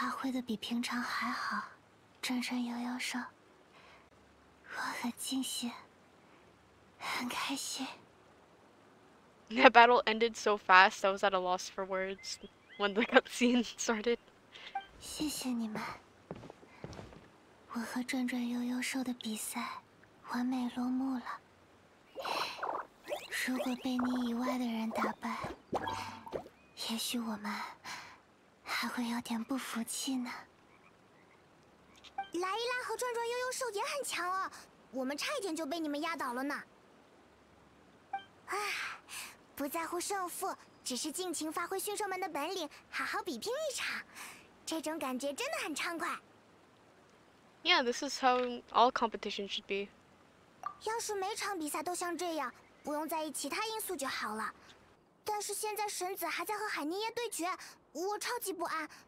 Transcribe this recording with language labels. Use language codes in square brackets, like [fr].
[zh] 的比平常还好，转转悠悠兽，我很惊喜，很开心。 [en] That battle ended so fast, I was at a loss for words when the cutscene started. [zh] 谢谢你们，我和转转悠悠兽的比赛完美落幕了。如果被你以外的人打败，也许我们还会有点不服气呢。莱伊拉和转转悠悠兽也很强哦，我们差一点就被你们压倒了呢。唉，不在乎胜负，只是尽情发挥驯兽们的本领，好好比拼一场，这种感觉真的很畅快。 [en] Yeah, this is how all competition should be. [zh] 要是每场比赛都像这样，不用在意其他因素就好了。但是现在神子还在和海尼耶对决，我超级不安。